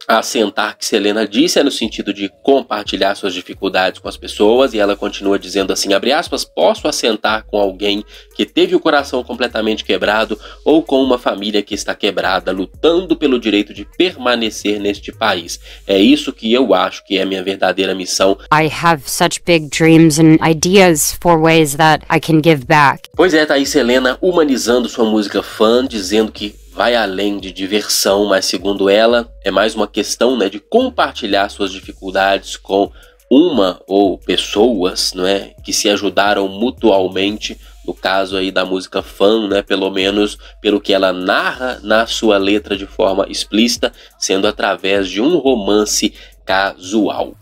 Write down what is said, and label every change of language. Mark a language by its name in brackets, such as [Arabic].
[Portuguese] Assentar, que Selena disse, é no sentido de compartilhar suas dificuldades com as pessoas, e ela continua dizendo assim, abre aspas, posso assentar com alguém que teve o coração completamente quebrado ou com uma família que está quebrada, lutando pelo direito de permanecer neste país. É isso que eu acho que é a minha verdadeira missão. [English] I have such big dreams and ideas for ways that I can give back. [Portuguese] Pois é, tá aí Selena humanizando sua música Fã, dizendo que vai além de diversão, mas segundo ela, é mais uma questão, né, de compartilhar suas dificuldades com uma ou pessoas, não é, que se ajudaram mutualmente No caso aí da música Fun, né? Pelo menos pelo que ela narra na sua letra de forma explícita, sendo através de um romance casual.